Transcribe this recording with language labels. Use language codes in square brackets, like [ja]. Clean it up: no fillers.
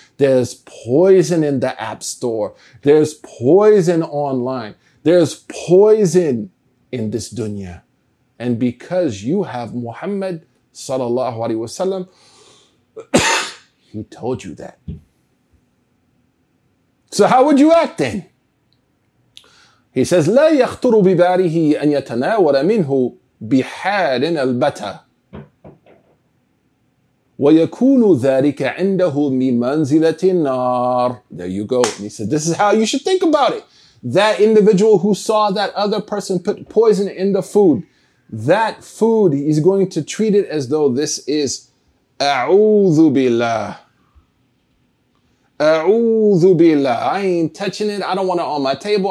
[en] There's poison in the app store. There's poison online. There's poison in this dunya. And because you have Muhammad sallallahu alaihi wasallam, he told you that. So how would you act then? He says, [ar] لا يخطر بباله أن يتناول منه بحال البتة ويكون ذلك عنده بمنزلة النار. [en] There you go. And he said, this is how you should think about it. That individual who saw that other person put poison in the food, that food, he's going to treat it as though this is [ar] أعوذ بالله. [en] A'udhu billah. I ain't touching it. I don't want it on my table.